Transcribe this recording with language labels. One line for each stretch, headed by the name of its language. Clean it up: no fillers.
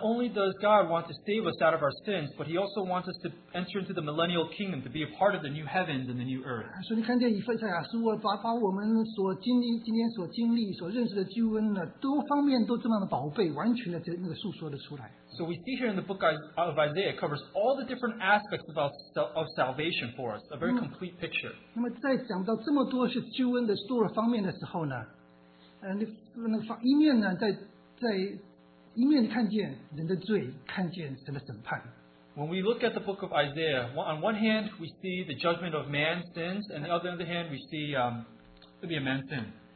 English: only does God want to save us out of our sins, but He also wants us to enter into the millennial kingdom to be a part of the new heavens and the new earth.
Chinese: 所以你看见以赛亚书啊，把我们所经历、今天所经历、所认识的救恩呢，多方面都这么的宝贝，完全的这那个诉说的出来。
English: So we see here in the book of Isaiah covers all the different aspects of salvation for us, a very complete picture.
Chinese: 那么在讲到这么多是救恩的多方面的时候呢，那个一面呢，在一面看见人的罪，看见神的审判。
English: When we look at the book of Isaiah, on one hand we see the judgment of man's sins, and on the other hand we see to be a man's sin.